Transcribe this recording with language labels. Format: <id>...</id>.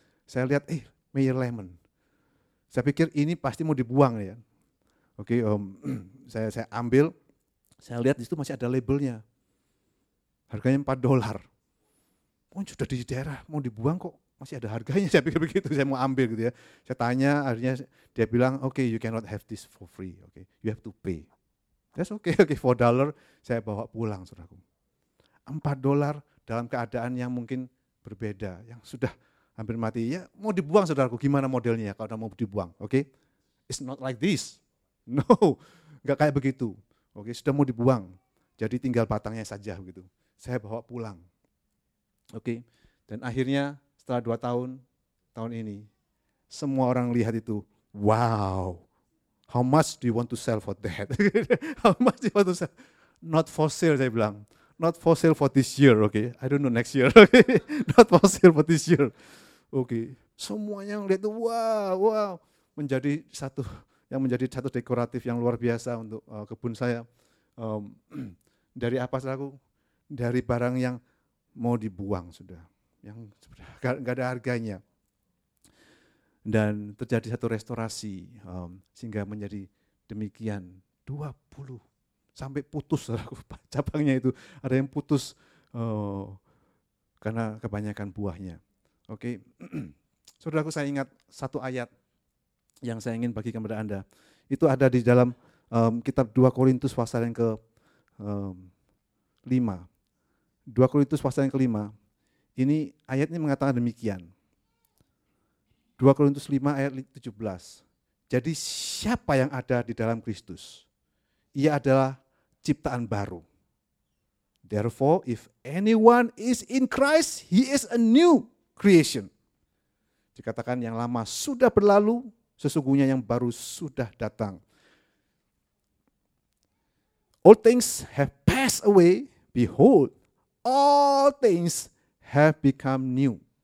<id>Saya lihat, Meyer lemon. Saya pikir ini pasti mau dibuang ya. Oke, saya ambil, saya lihat di situ masih ada labelnya. Harganya $4. Oh, sudah di daerah mau dibuang kok. Masih ada harganya, saya pikir begitu, saya mau ambil gitu ya. Saya tanya, akhirnya dia bilang,</id> <en>okay, you cannot have this for free, okay, you have to pay. That's okay,</en> <id>$4 saya bawa pulang, saudaraku. $4 dalam keadaan yang mungkin berbeda, yang sudah hampir mati, ya mau dibuang, saudaraku, gimana modelnya kalau udah mau dibuang, okay?</id> <en>It's not like this, no,</en> <id>gak kayak begitu, okay, sudah mau dibuang, jadi tinggal batangnya saja, gitu. Saya bawa pulang, okay, dan akhirnya, setelah 2 tahun, tahun ini, semua orang lihat itu, wow,</id> <en>how much do you want to sell for that? How much do you want to sell? Not for sale,</en> <id>saya bilang.</id> <en>Not for sale for this year, okay? I don't know next year, okay? Not for sale for this year.</en> <id>Okay, semuanya lihat itu, wow, wow. Menjadi satu, yang menjadi satu dekoratif yang luar biasa untuk kebun saya. Dari apa, saudaraku? Dari barang yang mau dibuang sudah. Yang gak ada harganya. Dan terjadi satu restorasi, sehingga menjadi demikian. 20, sampai putus cabangnya itu. Ada yang putus karena kebanyakan buahnya. Oke, okay. Saudaraku, saya ingat satu ayat yang saya ingin bagikan kepada Anda. Itu ada di dalam kitab 2 Korintus pasal yang ke-5. 2 Korintus pasal yang ke-5, ini ayat ini mengatakan demikian. 2 Korintus 5 ayat 17. Jadi siapa yang ada di dalam Kristus? Ia adalah ciptaan baru.</id> <en>Therefore, if anyone is in Christ, he is a new creation.</en> <id>Dikatakan yang lama sudah berlalu, sesungguhnya yang baru sudah datang.</id> <en>All things have passed away. Behold, all things have become new.</en>